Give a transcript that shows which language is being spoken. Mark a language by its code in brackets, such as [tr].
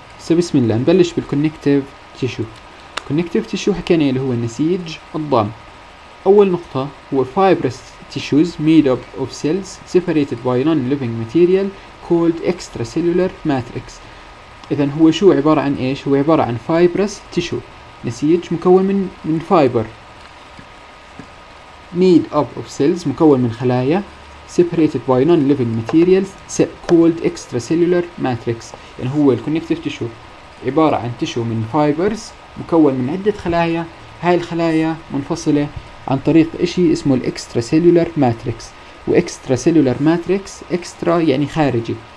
[ar] بسم الله نبلش بالكونكتيف تيشو. الكونكتيف تيشو حكينا اللي هو النسيج الضام. اول نقطه هو [en] fibrous tissues made up of cells separated by non-living material called extracellular matrix. [ar] اذا هو شو عباره عن ايش؟ هو عباره عن fibrous tissue، نسيج مكون من فايبر، [en] made up of cells [ar] مكون من خلايا، [en] separated by non-living materials called extracellular matrix. [ar] يعني هو الكونكتيف تيشو عبارة عن تيشو من فايبرز مكون من عدة خلايا، هاي الخلايا منفصلة عن طريق اشي اسمه الاكستراسيلولر ماتريكس، واكستراسيلولر ماتريكس اكسترا يعني خارجي.